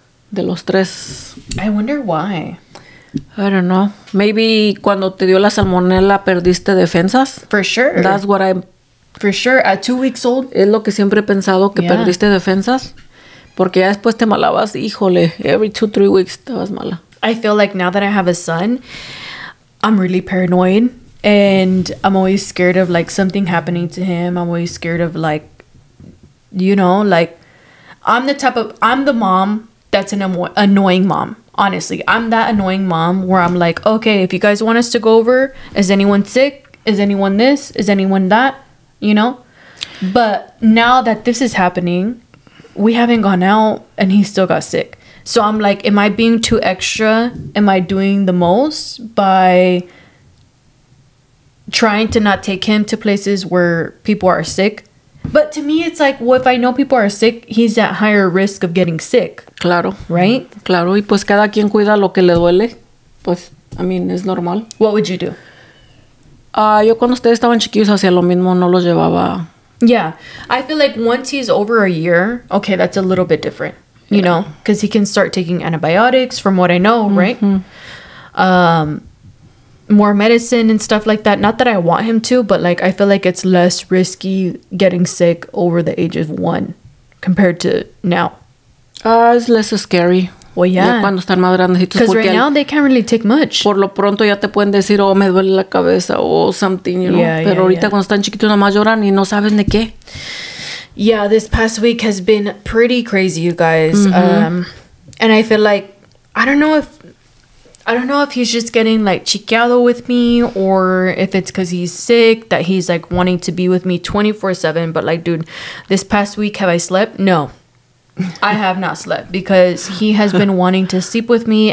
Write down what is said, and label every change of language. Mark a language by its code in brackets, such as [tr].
[es] De los tres. [en] I wonder why. I don't know. [es] Maybe cuando te dio la salmonella perdiste defensas. [en] For sure. That's what I... For sure. At 2 weeks old. [es] Es lo que siempre he pensado que perdiste defensas. Porque ya después te malabas. Híjole. [en] Every 2-3 weeks [es] estabas mala. [en] I feel like now that I have a son, I'm really paranoid. And I'm always scared of like something happening to him. I'm always scared of like, you know, like I'm the type of... I'm the mom... That's an annoying mom. Honestly, I'm that annoying mom where I'm like, okay, if you guys want us to go over, is anyone sick? Is anyone this? Is anyone that? You know? But now that this is happening, we haven't gone out and he still got sick. So I'm like, am I being too extra? Am I doing the most by trying to not take him to places where people are sick? But to me, it's like, well, if I know people are sick, he's at higher risk of getting sick. [es] Claro. [en] Right? [es] Claro. Y pues cada quien cuida lo que le duele. Pues, [en] I mean, [es] es normal. [en] What would you do? [es] Yo cuando ustedes estaban chiquillos hacía lo mismo, no los llevaba. [en] Yeah. I feel like once he's over a year, okay, that's a little bit different. You know? Because he can start taking antibiotics from what I know, right? More medicine and stuff like that. Not that I want him to, but like I feel like it's less risky getting sick over the age of one compared to now. It's less scary. Well, yeah. [es] Cuando están más grandecitos. [en] Because right now they can't really take much. [es] Por lo pronto ya te pueden decir, oh, me duele la cabeza o [en] something, you know. [es] Yeah, pero ahorita cuando están chiquitos nada más lloran y no saben de qué. [en] Yeah, this past week has been pretty crazy, you guys. And I feel like, I don't know if he's just getting, like, chiqueado with me or if it's because he's sick that he's, like, wanting to be with me 24/7. But, like, dude, this past week, have I slept? No. I have not slept because he has been wanting to sleep with me.